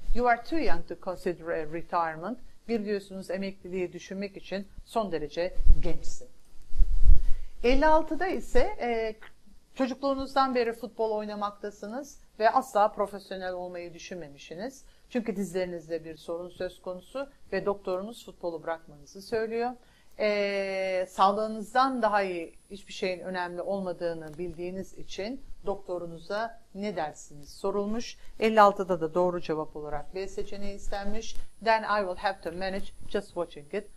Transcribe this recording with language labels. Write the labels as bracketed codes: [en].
[en] You are too young to consider a retirement. [tr] Bir diyorsunuz emekliliği düşünmek için son derece gençsin. 56'da ise çocukluğunuzdan beri futbol oynamaktasınız ve asla profesyonel olmayı düşünmemişsiniz. Çünkü dizlerinizde bir sorun söz konusu ve doktorunuz futbolu bırakmanızı söylüyor. Sağlığınızdan daha iyi hiçbir şeyin önemli olmadığını bildiğiniz için doktorunuza ne dersiniz sorulmuş. 56'da da doğru cevap olarak B seçeneği istenmiş. [en] Then I will have to manage just watching it.